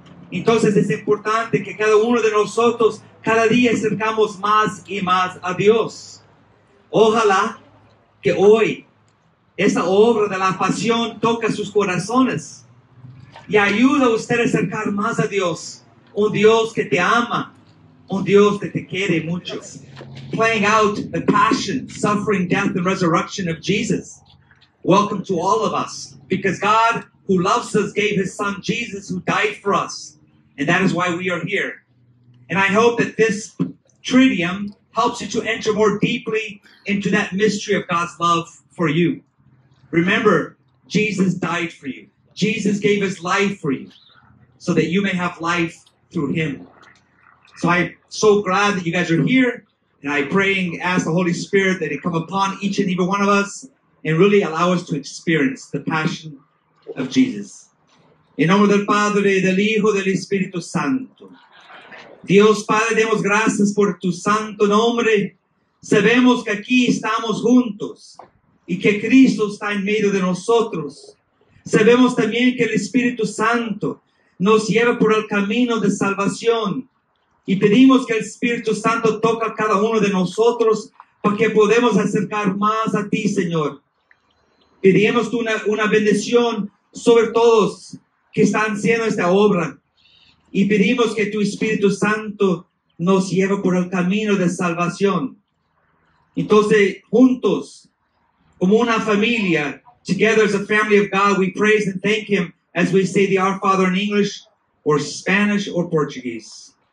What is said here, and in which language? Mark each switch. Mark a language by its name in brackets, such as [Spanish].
[Spanish] Entonces, es importante que cada uno de nosotros cada día acercamos más y más a Dios. Ojalá que hoy esa obra de la pasión toque sus corazones y ayude a usted a acercar más a Dios. Un Dios que te ama, un Dios que te quiere mucho. [English] Playing out the passion, suffering, death, and resurrection of Jesus. Welcome to all of us, because God, who loves us, gave his son Jesus, who died for us. And that is why we are here. And I hope that this tridium helps you to enter more deeply into that mystery of God's love for you. Remember, Jesus died for you. Jesus gave his life for you, so that you may have life through him. So I'm so glad that you guys are here, and I pray and ask the Holy Spirit that it come upon each and every one of us and really allow us to experience the passion of Jesus. [Spanish] En nombre del Padre, del Hijo, del Espíritu Santo. Dios Padre, demos gracias por tu santo nombre. Sabemos que aquí estamos juntos y que Cristo está en medio de nosotros. Sabemos también que el Espíritu Santo nos lleva por el camino de salvación. Y pedimos que el Espíritu Santo toque a cada uno de nosotros para que podamos acercar más a ti, Señor. Pedimos una bendición sobre todos que están haciendo esta obra. Y pedimos que tu Espíritu Santo nos lleve por el camino de salvación. Entonces, juntos, como una familia, [English] together as a family of God, we praise and thank him as we say the Our Father in English, or Spanish, or Portuguese.